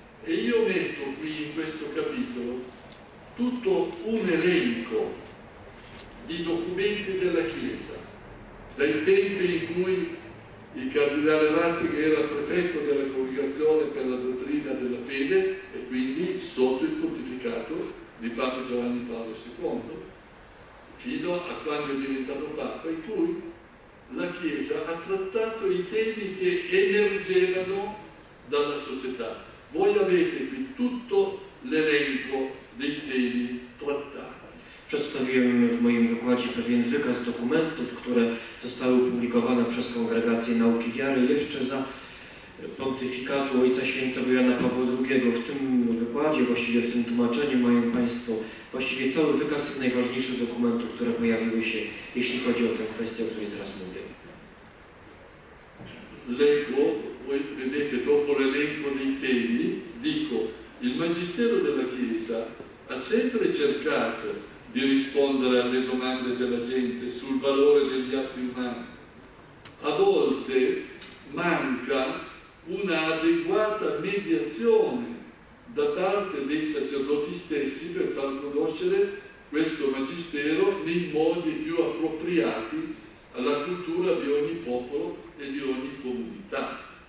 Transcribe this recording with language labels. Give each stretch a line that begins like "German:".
Italian: E io metto qui in questo capitolo tutto un elenco di documenti della Chiesa, dai tempi in cui il cardinale Ratzinger era prefetto della Congregazione per la Dottrina della Fede e quindi sotto il pontificato di Papa Giovanni Paolo II, fino a quando è diventato Papa, in cui la Chiesa ha trattato i temi che emergevano dalla società. Voi avete qui tutto l'elenco dei temi trattati.
Polish: Przedstawiłem w moim wykładzie pewien wykaz dokumentów, które zostały opublikowane przez Kongregację Nauki Wiary jeszcze za pontyfikatu Ojca Świętego Jana Pawła II. W tym wykładzie, właściwie w tym tłumaczeniu, mają Państwo właściwie cały wykaz tych najważniejszych dokumentów, które pojawiły się, jeśli chodzi o tę kwestię, o której teraz mówię.
Italian: Lecco, vedete, dopo l'elenco dei temi, dico, il Magistero della Chiesa ha sempre cercato di rispondere alle domande della gente sul valore degli atti umani. A volte manca una adeguata mediazione da parte dei sacerdoti stessi per far conoscere questo magistero nei modi più appropriati alla cultura di ogni popolo e di ogni comunità.